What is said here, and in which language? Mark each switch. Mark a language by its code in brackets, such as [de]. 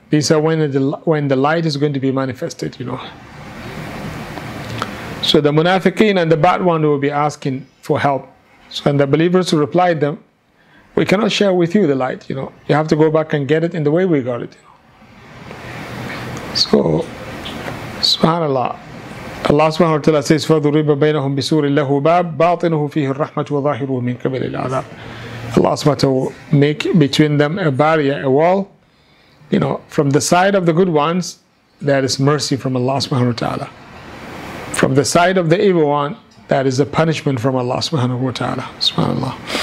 [en] These are when the light is going to be manifested, you know. So the munafiqeen and the bad one will be asking for help. So and the believers will reply them, "We cannot share with you the light, you know. You have to go back and get it in the way we got it, you know." So, subhanAllah. Allah subhanahu wa ta'ala says, [ar] "فَذُرِبَ بَيْنَهُمْ بِسُورٍ لَهُ بَابٍ بَاطِنُهُ فِيهِ الرَّحْمَةُ وَظَاهِرُهُ مِنْ قَبْلِ الْعَذَابِ." [en] Allah subhanahu wa ta'ala will make between them a barrier, a wall. You know, from the side of the good ones, that is mercy from Allah subhanahu wa ta'ala. From the side of the evil one, that is a punishment from Allah subhanahu wa ta'ala. Subhanallah.